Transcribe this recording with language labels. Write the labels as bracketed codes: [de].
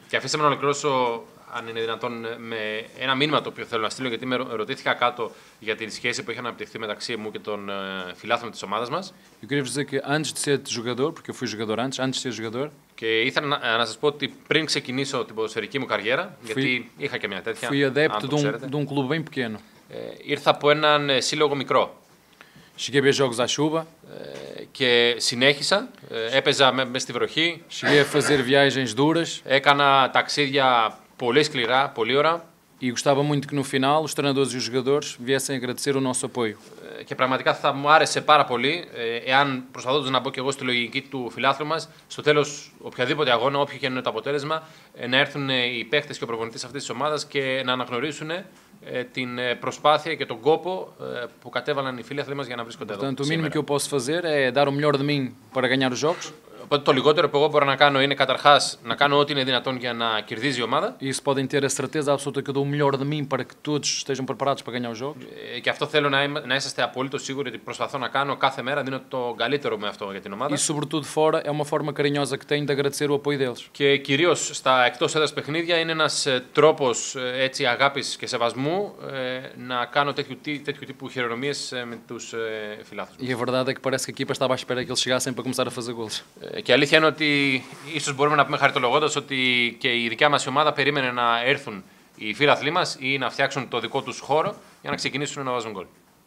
[pt] Que [el] αφήσαμε να ολοκληρώσω, αν είναι δυνατόν, με ένα μήνυμα το οποίο θέλω να στείλω, γιατί με ρωτήθηκα κάτω για την σχέση που είχε αναπτυχθεί μεταξύ μου και των φιλάθλων της ομάδας μας. [pt] Eu queria dizer que antes de ser jogador, porque eu fui jogador antes de ser jogador. [el] Και ήθελα να σας πω ότι πριν ξεκινήσω την ποδοσφαιρική μου καριέρα, γιατί είχα και μια τέτοια. [pt] Fui adepto de um clube bem pequeno. [el] Ήρθα από έναν σύλλογο μικρό. [pt] Cheguei a ver jogos à chuva. [el] Και συνέχισα, έπαιζα μες στη βροχή. [pt] Cheguei a fazer viagens duras. [el] Έκανα ταξίδια πολύ σκληρά, πολύ ώρα. [pt] E gostava muito que no final os treinadores e os jogadores viessem agradecer o nosso apoio. [el] Και πραγματικά θα μου άρεσε πάρα πολύ, εάν προσπαθώντας να μπω και εγώ στη λογική του φιλάθλου μας, στο τέλος οποιαδήποτε αγώνα, όποιο και είναι το αποτέλεσμα, να έρθουν οι παίχτες και ο προπονητής αυτής της ομάδας και να αναγνωρίσουν την προσπάθεια και τον κόπο που κατέβαλαν οι φίλοι μας για να βρίσκονται εδώ. Το μήνυμα που [pt] posso fazer é dar o melhor de mim para ganhar os jogos. [el] Οπότε το λιγότερο που εγώ μπορώ να κάνω είναι καταρχάς να κάνω ό,τι είναι δυνατόν για να κερδίζει η ομάδα. [pt] E isso podem ter a certeza absoluta que eu dou o melhor de mim para que todos estejam preparados para ganhar os jogos. [el] Και αυτό θέλω να είσαστε απόλυτο σίγουροι ότι προσπαθώ να κάνω κάθε μέρα, δίνω το καλύτερο με αυτό για την ομάδα. [pt] E sobretudo fora é uma forma carinhosa que tenho de agradecer o apoio deles. [el] Και κυρίως στα εκτός έδρας παιχνίδια είναι ένας τρόπος έτσι αγάπης και σεβασμού να κάνω τέτοιου τύπου χειρονομίες με τους φιλάθλους. [pt] E a verdade é que parece que a equipa estava à espera que eles chegassem para começar a fazer gols. [el] Και αλήθεια είναι ότι ίσως μπορούμε να πούμε χαριτολογώντας ότι και η δικιά μας ομάδα περίμενε να έρθουν οι φίλαθλοι μας ή να φτιάξουν το δικό τους χώρο για να ξεκινήσουν να βάζουν γκολ.